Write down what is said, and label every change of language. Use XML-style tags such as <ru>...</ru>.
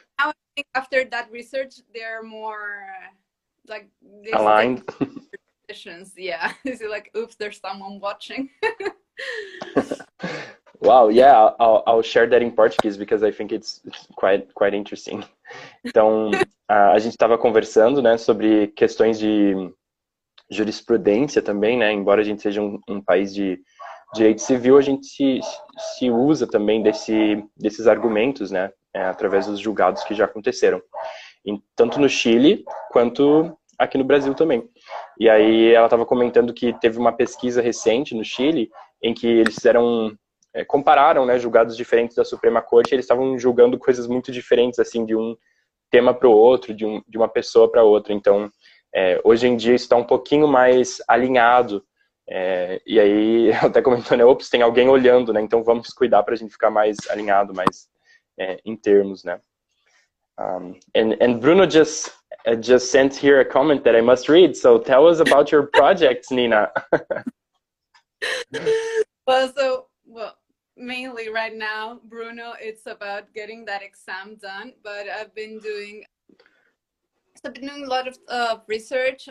<en>Now I think after that research, they're more like this aligned. Yeah. Is it like, oops, there's someone watching? Wow, yeah, I'll share that in Portuguese because I think it's quite interesting.</en> <pt>Então, a gente estava conversando, né, sobre questões de jurisprudência também, né, embora a gente seja um país de direito civil, a gente se usa também desses argumentos, né, através dos julgados que já aconteceram, tanto no Chile quanto aqui no Brasil também. E aí ela estava comentando que teve uma pesquisa recente no Chile em que eles fizeram compararam, né, julgados diferentes da Suprema Corte, e eles estavam julgando coisas muito diferentes, assim, de um tema para o outro, de uma pessoa para outra. Então, hoje em dia isso está um pouquinho mais alinhado. E aí, até comentou, né, ops, tem alguém olhando, né, então vamos cuidar para a gente ficar mais alinhado, mais em termos, né.</pt> <en>And Bruno just sent here a comment that I must read, so tell us about your projects, Nina. Well, mainly right now, Bruno, it's about getting that exam done, but I've been doing a lot of research.</en>